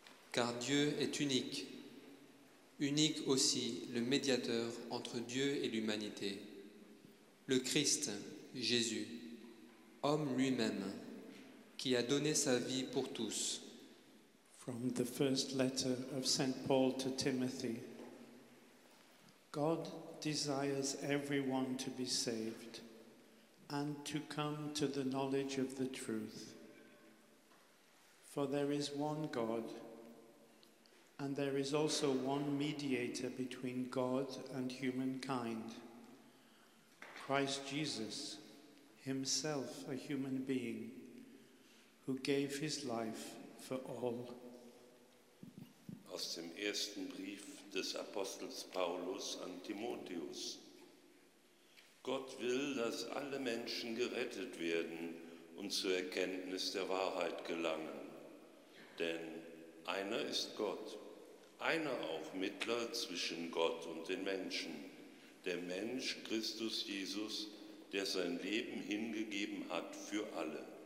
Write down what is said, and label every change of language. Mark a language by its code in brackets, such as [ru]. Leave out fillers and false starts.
[fr] Car Dieu est unique, unique aussi le médiateur entre Dieu et l'humanité, le Christ, Jésus, homme lui-même, qui a donné sa vie pour tous. [en] From the first letter of Saint Paul to Timothy. God desires everyone to be saved and to come to the knowledge of the truth. For there is one God, and there is also one mediator between God and humankind, Christ Jesus, himself a human being, who gave his life for all. [de] Aus dem ersten Brief des Apostels Paulus an Timotheus. Gott will, dass alle Menschen gerettet werden und zur Erkenntnis der Wahrheit gelangen. Denn einer ist Gott, einer auch Mittler zwischen Gott und den Menschen, der Mensch Christus Jesus, der sein Leben hingegeben hat für alle.